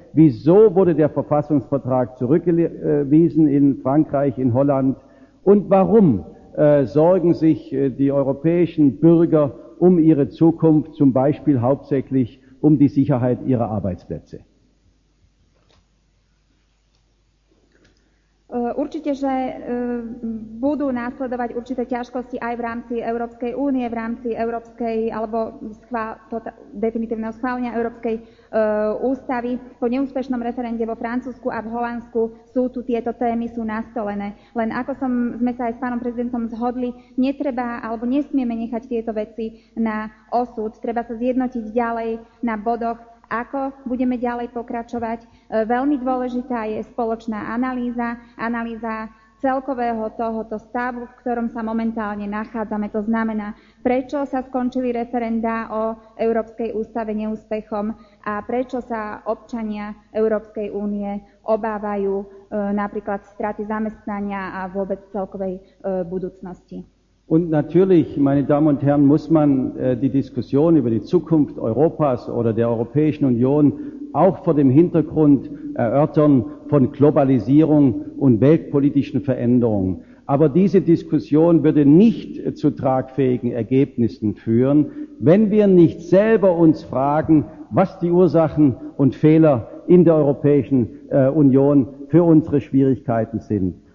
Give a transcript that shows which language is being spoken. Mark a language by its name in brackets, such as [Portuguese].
[German] wieso wurde der Verfassungsvertrag zurückgewiesen in Frankreich, in Holland, und warum sorgen sich die europäischen Bürger um ihre Zukunft, zum Beispiel hauptsächlich um die Sicherheit ihrer Arbeitsplätze? [Slovak] Určite, že budú nasledovať určité ťažkosti aj v rámci Európskej únie, v rámci Európskej, alebo definitívneho schválenia Európskej ústavy. Po neúspešnom referende vo Francúzsku a v Holandsku sú tu tieto témy, sú nastolené. Len ako sme sa aj s pánom prezidentom zhodli, netreba alebo nesmieme nechať tieto veci na osud. Treba sa zjednotiť ďalej na bodoch, ako budeme ďalej pokračovať. Veľmi dôležitá je spoločná analýza, analýza celkového tohoto stavu, v ktorom sa momentálne nachádzame. To znamená, prečo sa skončili referenda o Európskej ústave neúspechom a prečo sa občania Európskej únie obávajú napríklad straty zamestnania a vôbec celkovej budúcnosti. [German] Und natürlich, meine Damen und Herren, muss man die Diskussion über die Zukunft Europas oder der Europäischen Union auch vor dem Hintergrund erörtern von Globalisierung und weltpolitischen Veränderungen. Aber diese Diskussion würde nicht zu tragfähigen Ergebnissen führen, wenn wir nicht selber uns fragen, was die Ursachen und Fehler in der Europäischen Union für unsere Schwierigkeiten sind.